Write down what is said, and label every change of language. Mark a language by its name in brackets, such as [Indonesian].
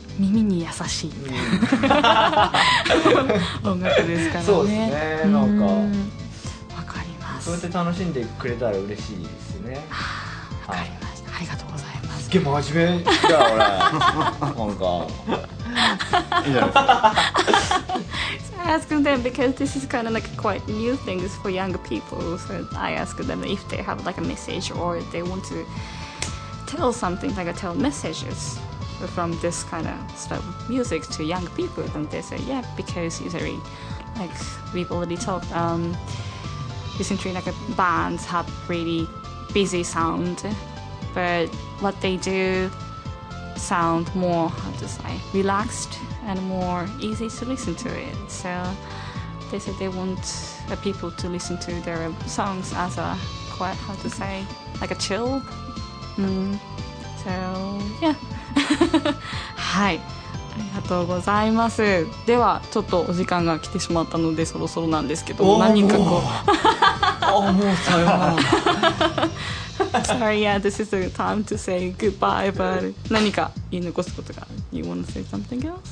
[Japanese] 耳に優しい、音楽ですからね。そうですね。なんかわかります。そうやって楽しんでくれたら嬉しいですね。わかりました。ありがとうございます。すげえ真面目じゃん俺なんか [English] So I ask them because this is kind of like quite new things for young people. So I ask them if they have like a message or they want to tell something, like tell messages from this kind of stuff, music to young people. And they say, yeah, because usually, like we've already talked, recently like bands have really busy sound, but what they do. Sound more, how to say, relaxed and more easy to listen to it. So they said they want the people to listen to their songs as a quite, how to say, like a chill. So yeah. [Japanese] はい、ありがとうございます。ではちょっとお時間が来てしまったのでそろそろなんですけど、何人かこう。あ、もうさよなら。 [English] Sorry, yeah, this is the time to say goodbye, but [Japanese] 何か言い残すことが、 [English] You wanna say something else?